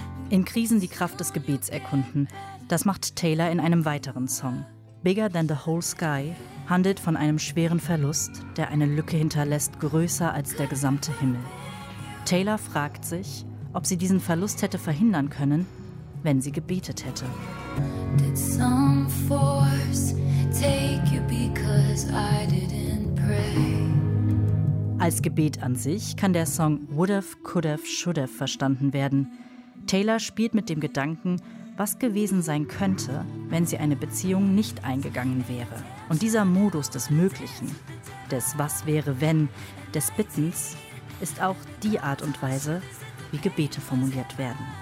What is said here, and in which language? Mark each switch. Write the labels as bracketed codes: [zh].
[de] In Krisen die Kraft des Gebets erkunden. Das macht Taylor in einem weiteren Song. Bigger Than the Whole Sky handelt von einem schweren Verlust, der eine Lücke hinterlässt, größer als der gesamte Himmel. Taylor fragt sich, ob sie diesen Verlust hätte verhindern können, wenn sie gebetet hätte. [en] Did some force take you because I didn't pray? [de] Als Gebet an sich kann der Song Would've, Could've, Should've verstanden werden. Taylor spielt mit dem Gedanken, was gewesen sein könnte, wenn sie eine Beziehung nicht eingegangen wäre. Und dieser Modus des Möglichen, des Was wäre wenn, des Bittens, ist auch die Art und Weise, wie Gebete formuliert werden.